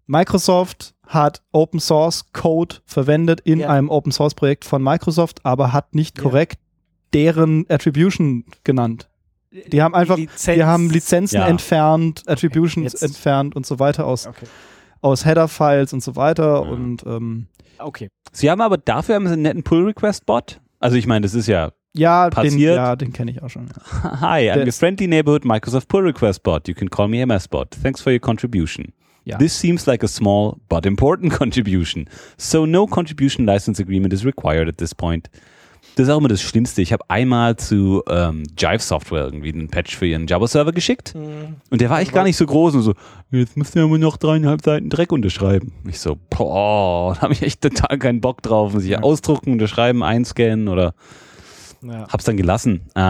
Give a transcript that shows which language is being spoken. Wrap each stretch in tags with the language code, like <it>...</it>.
<de>Microsoft hat Open Source Code verwendet in einem Open Source Projekt von Microsoft, aber hat nicht korrekt deren Attribution genannt. Die haben einfach Lizenzen entfernt, Attributions entfernt und so weiter aus Header-Files und so weiter. Ja. Und Sie haben aber dafür einen netten Pull-Request-Bot. Also ich meine, das ist ja passiert. Den kenne ich auch schon. Ja.</de> <en>Hi, I'm your friendly neighborhood Microsoft Pull-Request-Bot. You can call me MS-Bot. Thanks for your contribution.</en> <de>Ja.</de> <en>This seems like a small but important contribution. So no contribution license agreement is required at this point.</en> <de>Das ist auch immer das Schlimmste. Ich habe einmal zu Jive Software irgendwie einen Patch für ihren Java-Server geschickt. Und der war echt gar nicht so groß. Und so, jetzt müsst ihr aber noch 3,5 Seiten Dreck unterschreiben. Ich so, boah, da habe ich echt total keinen Bock drauf. Muss ich ausdrucken, unterschreiben, einscannen oder hab's dann gelassen.</de>